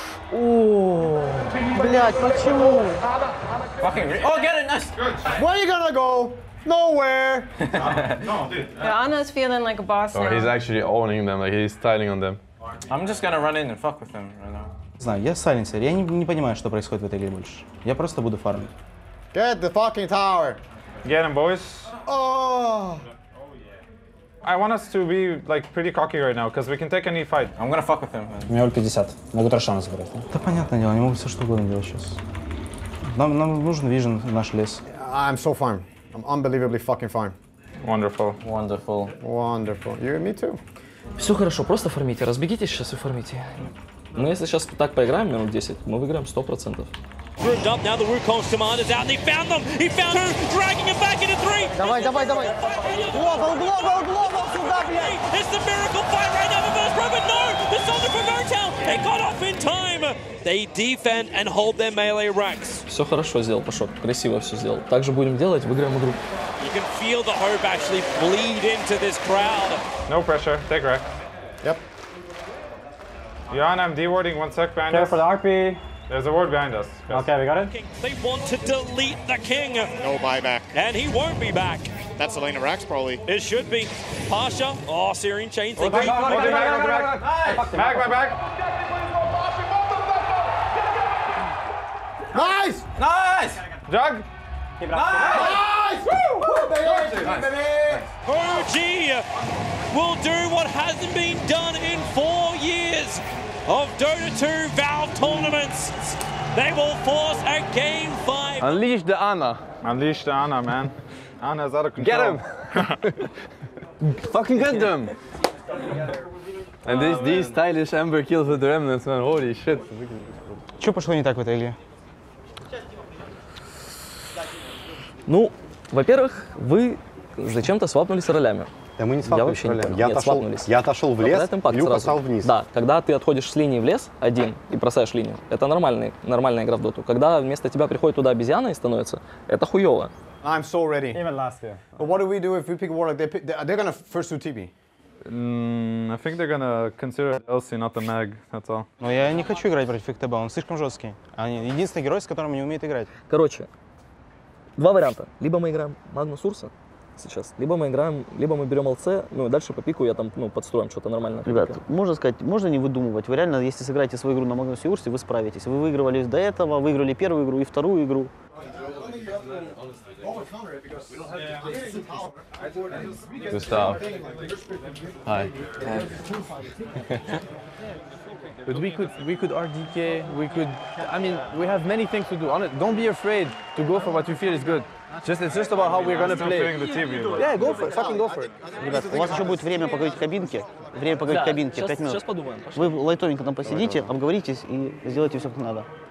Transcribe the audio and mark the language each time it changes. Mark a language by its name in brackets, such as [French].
[Russian] Блядь, почему? [English] Fucking great. Oh, get it, nice. Where are you gonna go? Nowhere. No, dude. Anna's feeling like a boss now. He's actually owning them. Like, he's styling on them. I'm just gonna run in and fuck with him right now. [Russian] Знаю, я сайленсер. Я не понимаю, что происходит в этой игре больше. Я просто буду фармить. [English] Get the fucking tower! Get him, boys. Oh! Oh yeah. I want us to be pretty cocky right now, because we can take any fight. I'm gonna fuck with him. [Russian] У меня ульт 50. Могу трошана забрать. Да понятное дело, они могут все что угодно делать сейчас. Нам нужен вижен в наш лес. [English] I'm so fine. I'm unbelievably fucking fine. Wonderful. Wonderful. Wonderful. You and me too. [Russian] Все хорошо, просто фармите. Разбегитесь сейчас и фармите. Мы если сейчас так поиграем минут 10, мы выиграем 100%. [English] groomed up. Now the Wukong's commander's out, and he found them. He found two, dragging him back into three. It's the miracle fight right now. Reverse row, but no, the soldier from Vertel. They got off in time. They defend and hold their melee ranks. [Russian] Все хорошо сделал, пошел. Красиво все сделал. Так же будем делать, выиграем игру. [English] You can feel the hope actually bleed into this crowd. No pressure. Take rec. Yep. Jan, I'm dewarding 1 sec, behind Care us. Careful, RP. There's a ward behind us. Yes. Okay, we got it. They want to delete the king. No buyback. And he won't be back. That's Elena Rax, probably. It should be. Pasha. Oh, Syrian chains. Oh, back, back, back, back, back, back. Back, back, back. Nice! Nice! Jug. Nice! Nice! Woo! Woo! Nice! Nice! OG will do what hasn't been done in 4 years of Dota 2 Valve tournaments. They will force a game 5. Unleash the Ana. Unleash the Ana, man. Ana's out of control. Get him! Fucking get them! And this, oh, these stylish Ember kills with the Remnants, man. Holy shit. [Russian] Что пошло не так в этой игре? Ну, во-первых, вы зачем-то свапнулись ролями. Да мы не свапнулись ролями. Я, нет, отошел, свапнулись. Я отошел в лес, Люк отошел вниз. Да, когда ты отходишь с линии в лес один и бросаешь линию, это нормальная игра в доту. Когда вместо тебя приходит туда обезьяна и становится, это хуёво. [English] I'm so ready. Even last year. But what do we do if we pick Warlock? They're gonna first two TP. I think they're gonna consider LC, not the mag, that's all. [Russian] Но я не хочу играть против ФТБ, он слишком жесткий. Они единственный герой, с которым не умеет играть. Короче. Два варианта. Либо мы играем Магнус Урса сейчас, либо мы берем ЛЦ, ну и дальше по пику я там, ну, подстроим что-то нормальное. Ребят, можно сказать, можно не выдумывать. Вы реально, если сыграете свою игру на Магнусе и Урсе, вы справитесь. Вы выигрывали до этого, выиграли первую игру и вторую игру. [English] Густав. Hi. But we could RDK, we could, I mean, we have many things to do. Don't be afraid to go for what you feel is good. Just, it's just about how we're gonna play. The team, you know. Yeah, go for it, fucking go for it. [Russian] Ребят, у вас еще будет время поговорить в кабинке. Время поговорить в кабинке, 5 минут. Сейчас подумаем, пошли. Вы лайтовенько там посидите, обговоритесь и сделайте все, как надо.